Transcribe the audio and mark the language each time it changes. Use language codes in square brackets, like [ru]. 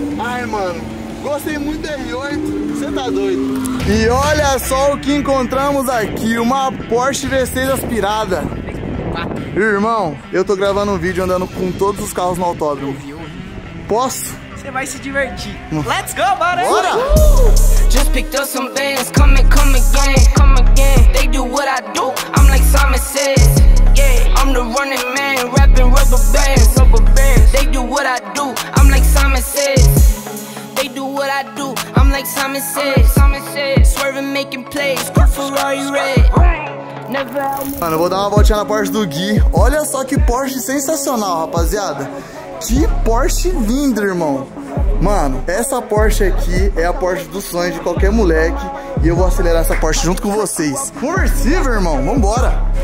[pt] Ai, mano, gostei muito do R8. Você tá doido? E olha só o que encontramos aqui, uma Porsche V6 aspirada. Irmão, eu tô gravando um vídeo andando com todos os carros no autódromo. Posso? Você você vai se divertir. [en] Let's go, [pt] bora! Bora! [en] Just picked up some bands, come again. They do what I do, I'm like Simon says. Yeah, I'm the running man, rapping rubber bands. They do what I do, I'm like Simon says. They do what I do, I'm like Simon says. Swerving, making plays, good Ferrari red. [pt] Mano, eu vou dar uma voltinha na Porsche do Gui. Olha só que Porsche sensacional, rapaziada. Que Porsche linda, irmão. Mano, essa Porsche aqui é a Porsche dos sonhos de qualquer moleque. E eu vou acelerar essa Porsche junto com vocês. Conversível, irmão, vambora.